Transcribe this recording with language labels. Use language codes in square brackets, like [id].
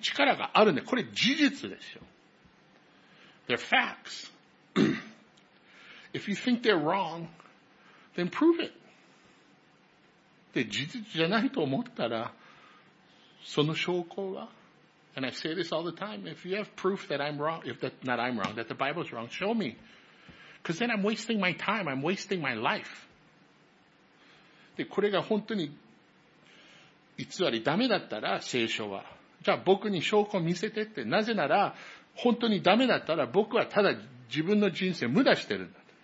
[ja] 力があるんで、これ事実ですよ。 [en] They're facts. If you think they're wrong, then prove it. [ja] で、事実じゃないと思ったら、その証拠は、 [en] And I say this all the time, if you have proof that I'm wrong, if that, not I'm wrong, that the Bible's wrong, show me. Because then I'm wasting my time, I'm wasting my life. [ja] で、これが本当に偽りダメだったら、聖書は。じゃあ僕に証拠を見せてって、なぜなら、本当にダメだったら僕はただ自分の人生を無駄してるんだ。